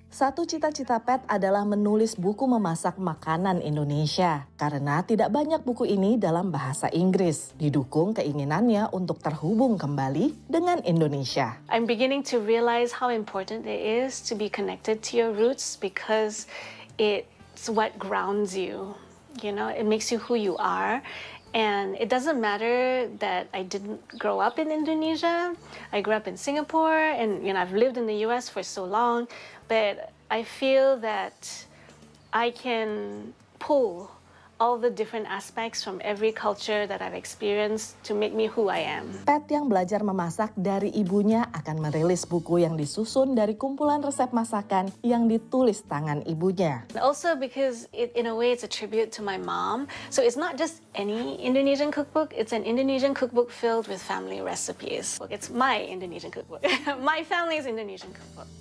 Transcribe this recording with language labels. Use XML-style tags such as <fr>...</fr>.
<id>Satu cita-cita Pat adalah menulis buku memasak makanan Indonesia, karena tidak banyak buku ini dalam bahasa Inggris, didukung keinginannya untuk terhubung kembali dengan Indonesia.</id> <en>I'm beginning to realize how important it is to be connected to your roots, because it's what grounds you, you know, it makes you who you are. And it doesn't matter that I didn't grow up in Indonesia, I grew up in Singapore, and you know, I've lived in the US for so long, but I feel that I can pull all the different aspects from every culture that I've experienced to make me who I am.</en> <id>Pat yang belajar memasak dari ibunya akan merilis buku yang disusun dari kumpulan resep masakan yang ditulis tangan ibunya.</id> <en>Also because it, in a way it's a tribute to my mom, so it's not just any Indonesian cookbook, it's an Indonesian cookbook filled with family recipes. It's my Indonesian cookbook, my family's Indonesian cookbook.</en>